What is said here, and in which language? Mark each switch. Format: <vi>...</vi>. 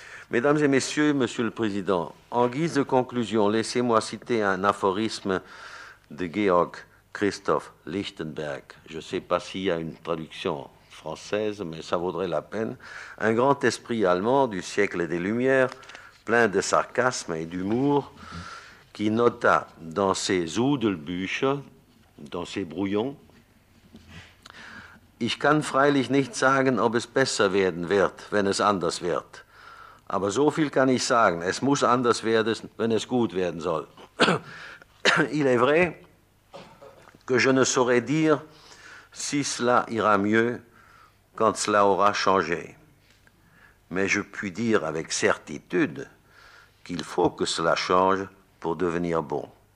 <fr>Mesdames et messieurs, monsieur le Président, en guise de conclusion, laissez-moi citer un aphorisme de Georg Christoph Lichtenberg. Je ne sais pas s'il y a une traduction française, mais ça vaudrait la peine. Un grand esprit allemand du siècle des Lumières, plein de sarcasme et d'humour, qui nota dans ses Udelbücher, dans ces brouillons.</fr> <de>Ich kann freilich nicht sagen, ob es besser werden wird, wenn es anders wird. Aber so viel kann ich sagen, es muss anders werden, wenn es gut werden soll.</de> <fr>Il est vrai que je ne saurais dire si cela ira mieux quand cela aura changé. Mais je puis dire avec certitude qu'il faut que cela change pour devenir bon.</fr>